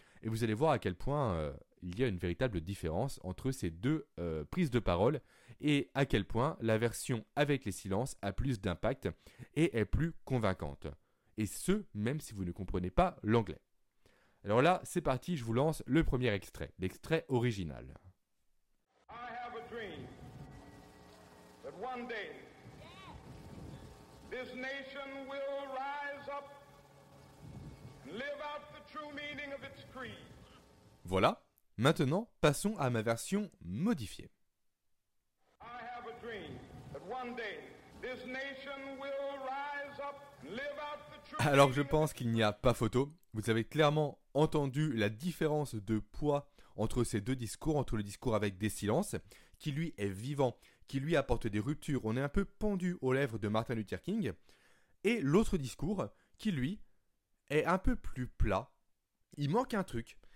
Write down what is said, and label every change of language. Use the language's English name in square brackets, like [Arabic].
[French] Et vous allez voir à quel point il y a une véritable différence entre ces deux prises de parole et à quel point la version avec les silences a plus d'impact et est plus convaincante. Et ce, même si vous ne comprenez pas l'anglais. Alors là, c'est parti, je vous lance le premier extrait, l'extrait original. [English] I have a dream that one day this nation will rise up. Live out the true meaning of its creed. [French] Voilà, maintenant passons à ma version modifiée. [English] I have a dream that one day this nation will rise up and live out the true. [French] Alors je pense qu'il n'y a pas photo. Vous avez clairement entendu la différence de poids entre ces deux discours, entre le discours avec des silences, qui lui est vivant, qui lui apporte des ruptures. On est un peu pendu aux lèvres de Martin Luther King. Et l'autre discours, qui lui est un peu plus plat. Il manque un truc.